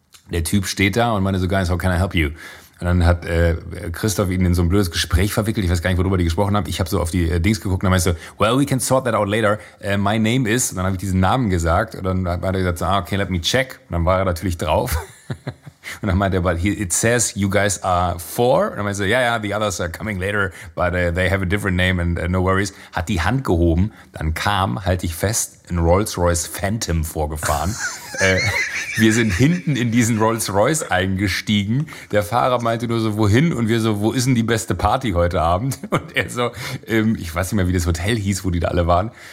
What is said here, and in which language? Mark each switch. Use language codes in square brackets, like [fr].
[de] Der Typ steht da und meinte so, [en] guys, how can I help you? [de] Und dann hat Christoph ihn in so ein blödes Gespräch verwickelt. Ich weiß gar nicht, worüber die gesprochen haben. Ich habe so auf die Dings geguckt und dann meinte so, [en] well, we can sort that out later. My name is, [de] und dann habe ich diesen Namen gesagt. Und dann hat er gesagt, so, [en] okay, let me check. [de] Und dann war er natürlich drauf. Und dann meinte er, [en] but it says you guys are four. [de] Und dann meinte er, [en] yeah, the others are coming later, but they have a different name and no worries. [de] Hat die Hand gehoben, dann kam, halte ich fest, ein Rolls-Royce Phantom vorgefahren. wir sind hinten in diesen Rolls-Royce eingestiegen. Der Fahrer meinte nur so, wohin? Und wir so, wo ist denn die beste Party heute Abend? Und er so, ich weiß nicht mehr, wie das Hotel hieß, wo die da alle waren.